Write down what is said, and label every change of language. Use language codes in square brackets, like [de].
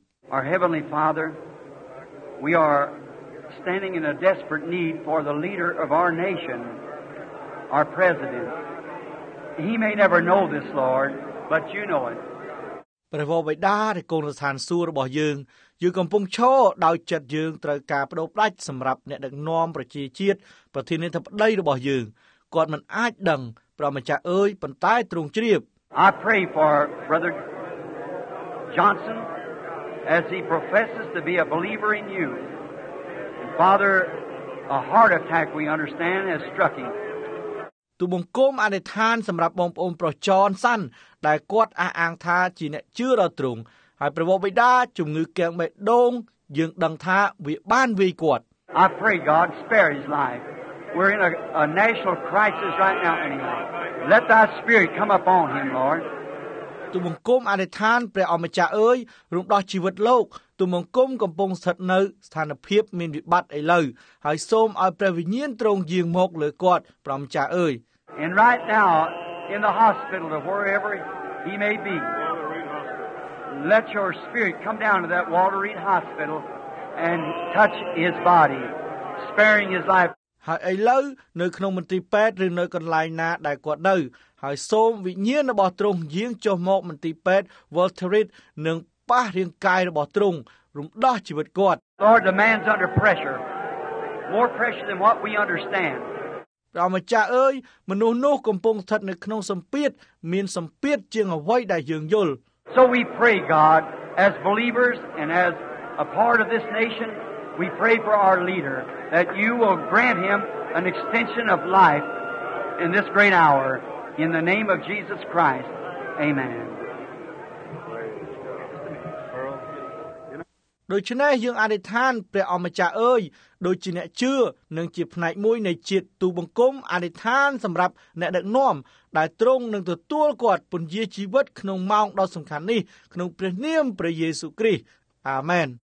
[en] Our Heavenly Father, we are standing in a desperate need for the leader of our nation, our president. He may never know this, Lord, but you know it. [km] ព្រះវរបិតាដែលគង់នៅឋានសួគ៌របស់យើងយើងកំពុងឈរដោយចិត្តយើងត្រូវការបដូរផ្ដាច់សម្រាប់អ្នកដឹកនាំប្រជាជាតិប្រធានាធិបតីរបស់យើងគាត់មិនអាចដឹងប្រមចាស់អើយប៉ុន្តែទ្រង់ជ្រាប [en] I pray for Brother Johnson as he professes to be a believer in you. And Father, a heart attack we understand has struck him. [km] ទូបង្គំអនិដ្ឋានសម្រាប់បងប្អូនប្រជាជនសាន់ដែលគាត់អះអាងថាជាអ្នកជឿដល់ទ្រង់ហើយព្រះវរបិតាជំងឺកៀងបេះដូងយើងដឹងថាវាបានវាយគាត់ [en] I pray God spare his life. We're in a national crisis right now anyway. Let thy spirit come upon him, Lord. [km] ទូបង្គំអនិដ្ឋានព្រះអម្ចាស់អើយរំដោះជីវិតលោកទូបង្គំកំពុងស្ថិតនៅស្ថានភាពមានវិបត្តិឥឡូវហើយសូមឲ្យព្រះវិញ្ញាណទ្រង់យាងមកលើគាត់ព្រះអម្ចាស់អើយ [en] And right now, in the hospital or wherever he may be, let your spirit come down to that Walter Reed Hospital and touch his body, sparing his life. [km] ឥឡូវនៅក្នុងមន្ទីរពេទ្យឬនៅកន្លែងណាដែលគាត់នៅហើយសូមវិញ្ញាណរបស់ទ្រង់យាងចុះមកមន្ទីរពេទ្យ Walter Reed និងប៉ះរាងកាយរបស់ទ្រង់រំដោះជីវិតគាត់ [en] Lord, the man's under pressure, more pressure than what we understand. [km] ព្រះម្ចាស់អើយមនុស្សនោះកំពុងស្ថិតនៅក្នុងសម្ពាធមានសម្ពាធជាងអ្វីដែលយើងយល់ [en] So we pray God as believers and as a part of this nation we pray for our leader that you will grant him an extension of life in this great hour in the name of Jesus Christ Amen [km] ដូច្នេះយើងអធិដ្ឋានព្រះអម្ចាស់អើយដូចជាអ្នកជឿនិងជាផ្នែកមួយនៃជាតិទូបង្គំអធិដ្ឋានសម្រាប់អ្នកដឹកនាំដែលទ្រង់នឹងទទួលគាត់ពន្យាជីវិតក្នុងម៉ោងដ៏សំខាន់នេះក្នុងព្រះនាមព្រះយេស៊ូគ្រីស្ទអាម៉ែន